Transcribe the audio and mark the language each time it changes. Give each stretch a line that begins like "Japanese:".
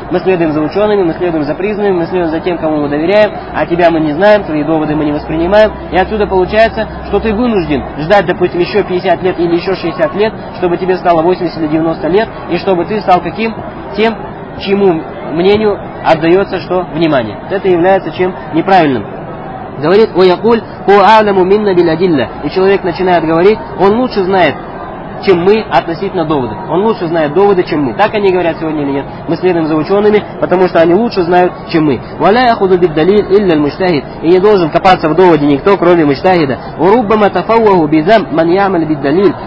Russian: Мы следуем за учеными, мы следуем за признанными, мы следуем за тем, кому мы доверяем, а тебя мы не знаем, твои доводы мы не воспринимаем. И отсюда получается, что ты вынужден ждать, допустим, еще 50 лет или еще 60 лет, чтобы тебе стало 80 или 90 лет, и чтобы ты стал каким? Тем, чьему мнению отдается что? Внимание. Это является чем? Неправильным. Говорит,
Arabic: ويقول هو أعلم منا بالأدلة.
Russian: И человек начинает говорить, он лучше знает, чем мы относительно довода. Он лучше знает доводы, чем мы. Так они говорят сегодня или нет? Мы следуем за учеными, потому что они лучше знают, чем мы.
Arabic: وَلَا يَخُذُ بِالدَّلِيلِ إِلَّا الْمُجْتَهِدِ.
Russian: И не должен копаться в доводе никто, кроме мучтахида.
Arabic: وَرُبَّمَ تَفَوَّهُ بِذَمْ مَنْ يَعْمَلْ بِالدَّلِيلِ.